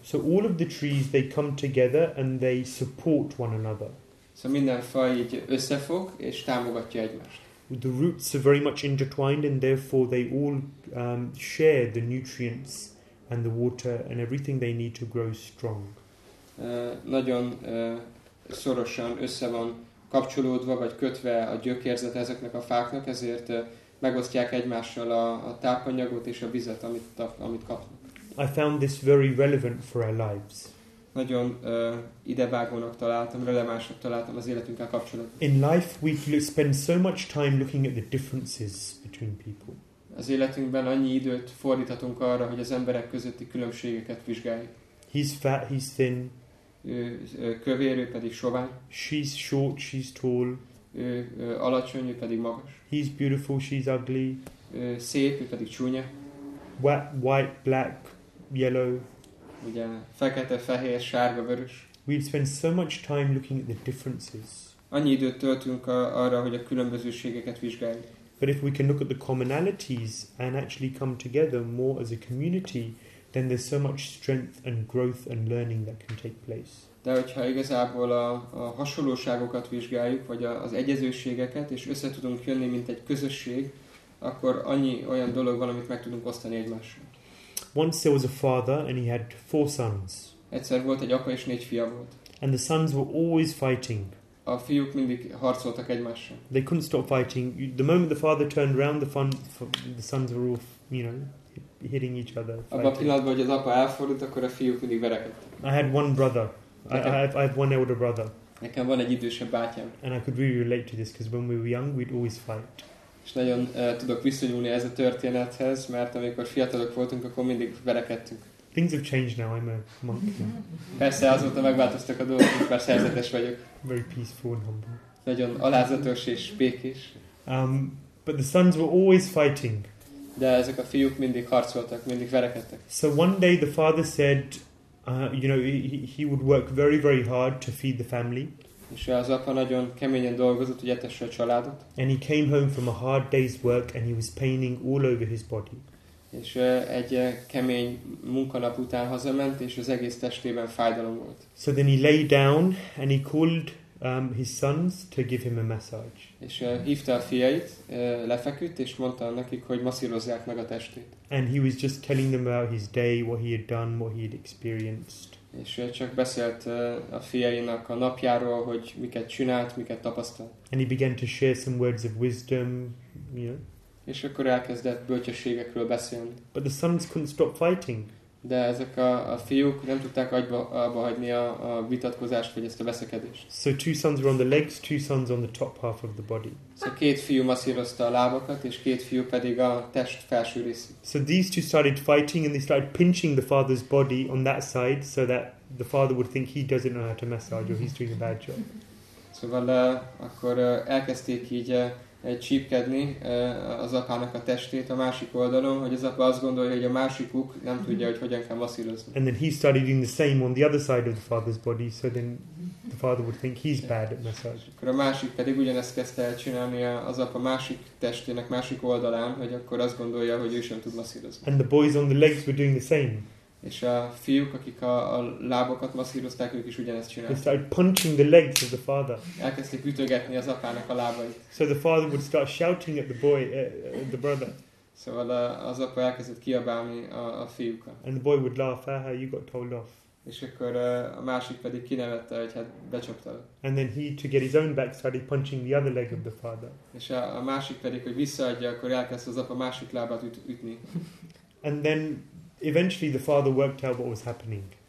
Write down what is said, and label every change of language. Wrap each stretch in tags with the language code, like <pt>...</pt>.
<en>So all of the trees, they come together and they support one another.</en> <hu>Szóval minden fa így összefog és támogatja egymást.</hu> <en>The roots are very much intertwined and therefore they all share the nutrients and the water and everything they need to grow strong.</en> <hu>Nagyon szorosan össze van kapcsolódva vagy kötve a gyökérzet ezeknek a fáknak, ezért megosztják egymással a tápanyagot és a vizet, amit kapnak.</hu> <en>I found this very relevant for our lives.</en> <hu>Nagyon idevágónak találtam, relevánsnak találtam az életünkkel kapcsolatban.</hu> <en>In life we spend so much time looking at the differences between people.</en> <hu>Az életünkben annyi időt fordíthatunk arra, hogy az emberek közötti különbségeket vizsgáljuk.</hu> <en>He's fat, he's thin.</en> <hu>Ő kövér, ő pedig sovány.</hu> <en>She's short, she's tall.</en> <hu>Ő alacsony, ő pedig magas.</hu> <en>He's beautiful, she's ugly.</en> <hu>Ő szép, ő pedig csúnya.</hu> <en>White, black, yellow.</en> <hu>Ugye, fekete, fehér, sárga, vörös.</hu> <en>We spend so much time looking at the differences.</en> <hu>Annyi időt töltünk arra, hogy a különbözőségeket vizsgáljuk.</hu> <en>But if we can look at the commonalities and actually come together more as a community, then there's so much strength and growth and learning that can take place.</en> <hu>De hogyha igazából a hasonlóságokat vizsgáljuk, vagy az egyezőségeket, és össze tudunk jönni, mint egy közösség, akkor annyi olyan dolog van, amit meg tudunk osztani egymással.</hu> <en>Once there was a father and he had four sons.</en> <hu>Egyszer volt egy apa és négy fia volt.</hu> <en>And the sons were always fighting.</en> <hu>A fiúk mindig harcoltak egymással.</hu> <en>They couldn't stop fighting. The moment the father turned around, the sons were all, you know, hitting each other.</en> <hu>Abban a pillanatban, hogy az apa elfordult, akkor a fiúk mindig verekedtek.</hu> <en>I had one brother. I have one elder brother.</en> <hu>Nekem van egy idősebb bátyám.</hu> <en>And I could really relate to this, because when we were young, we'd always fight.</en> <hu>És nagyon tudok visszanyúlni ez a történethez, mert amikor fiatalok voltunk, akkor mindig verekedtünk.</hu> <en>Things have changed now, I'm a monk.</en> <hu>Persze azóta megváltoztak a dolgok, már szerzetes vagyok.</hu> <en>Very peaceful and humble.</en> <hu>Nagyon alázatos és békés.</hu> <en>But the sons were always fighting.</en> <hu>De ezek a fiúk mindig harcoltak, mindig verekedtek.</hu> <en>So one day the father said, you know, he would work very, very hard to feed the family.</en> <hu>És az apa nagyon keményen dolgozott, hogy etesse a családot.</hu> <en>And he came home from a hard day's work and he was paining all over his body.</en> <hu>És egy kemény munkanap után hazament, és az egész testében fájdalom volt.</hu> <en>So then he lay down and he called his sons to give him a massage.</en> <hu>És hívta a fiait, lefeküdt, és mondta nekik, hogy masszírozzák meg a testét.</hu> <en>And he was just telling them about his day, what he had done, what he had experienced.</en> <hu>És csak beszélt a fiainak a napjáról, hogy miket csinált, miket tapasztalt.</hu> <en>And he began to share some words of wisdom, you know.</en> <hu>És akkor elkezdett bölcsességekről beszélni.</hu> <en>But the sons couldn't stop fighting.</en> <hu>De ezek a fiúk nem tudták abba hagyni a vitatkozást, vagy ezt a veszekedést.</hu> <en>So two sons were on the legs, two sons on the top half of the body.</en> <hu>So két fiú masszírozta a lábakat, és két fiú pedig a test felső részét.</hu> <en>So these two started fighting and they started pinching the father's body on that side so that the father would think he doesn't know how to massage or he's doing a bad job.</en> <hu>Szóval akkor elkezdték így csípkedni az apának a testét a másik oldalon, hogy az apa azt gondolja, hogy a másikuk nem tudja, hogy hogyan kell masszírozni.</hu> <en>And then he started doing the same on the other side of the father's body, so then the father would think he's bad at massage.</en> <hu>Akkor a másik pedig ugyanezt kezdte el csinálni az apa másik testének másik oldalán, hogy akkor azt gondolja, hogy ő sem tud masszírozni.</hu> <en>And the boys on the legs were doing the same.</en> <hu>És a fiúk, akik a lábakat masszírozták, ők is ugyanezt csinálták.</hu> <en>They started punching the legs of the father.</en> <hu>Elkezdték ütögetni az apának a lábait.</hu> <en>So the father would start shouting at the boy, at the brother.</en> <hu>Szóval az apa elkezdett kiabálni a fiúkat.</hu> <en>And the boy would laugh, aha, you got told off.</en> <hu>És akkor a másik pedig kinevette, hogy hát becsaptad.</hu> <en>And then he, to get his own back, started punching the other leg of the father.</en> <hu>És a másik pedig, hogy visszaadja, akkor elkezd az apa másik lábát ütni.</hu> <en>And then eventually the father worked out what was happening.</en>